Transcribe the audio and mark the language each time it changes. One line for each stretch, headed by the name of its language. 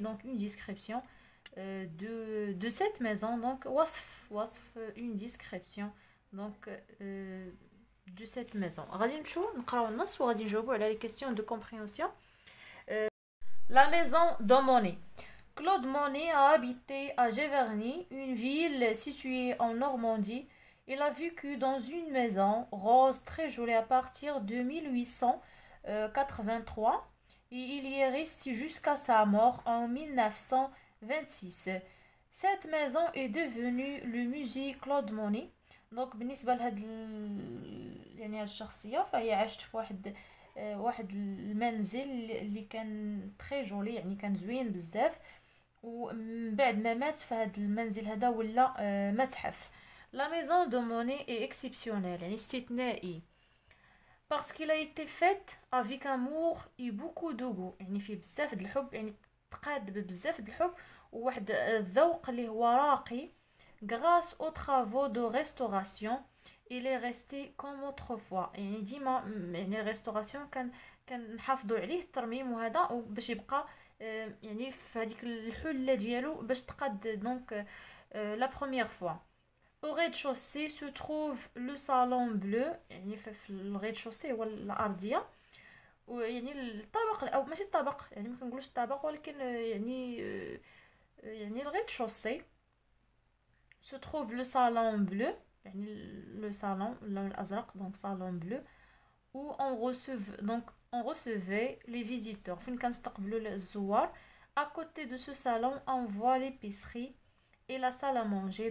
French: Donc une description de cette maison. Donc wasf une description donc de cette maison.
Arabic: غادي نمشيو نقراو النص وغادي نجاوبو على
French: لي كيسيون دو كومبريهنسيون. La maison de Monet. Claude Monet a habité à Giverny, une ville située en Normandie. Il a vécu dans une maison rose très jolie à partir de 1883 et il y est resté jusqu'à sa mort en 1926. Cette maison est devenue le musée Claude Monet.
Arabic: Donc, بالنسبة لهاد الشخصية فهي عاشت في واحد المنزل اللي كان تري جولي, يعني كان زوين بزاف, ومن بعد ما مات فهاد المنزل هذا ولا متحف.
French: La maison de Monet est exceptionnelle,
Arabic: يعني استثنائي,
French: parce qu'il a été fait avec amour et beaucoup de goût,
Arabic: يعني في بزاف الحب, يعني تقاد بزاف الحب وواحد الذوق اللي هو راقي.
French: grâce aux travaux de restauration il est resté comme autrefois,
Arabic: يعني ديما يعني الريستوراسيون كان نحافظوا عليه الترميم وهذا باش يبقى يعني في هذيك الحله ديالو باش تقاد. دونك لا بروميير فوا.
French: au rez-de-chaussée se trouve le salon bleu,
Arabic: يعني في الريد-de-chaussée هو الارضيه, ويعني الطبق او ماشي الطبق, يعني ما كنقولوش الطبق ولكن يعني يعني الغيت شوسي.
French: se trouve le salon bleu, يعني le salon
Arabic: اللون الازرق,
French: donc salon bleu où on recevait, donc on recevait les visiteurs,
Arabic: فين كنستقبلوا الزوار.
French: à côté de ce salon on voit l'épicerie et la salle à manger.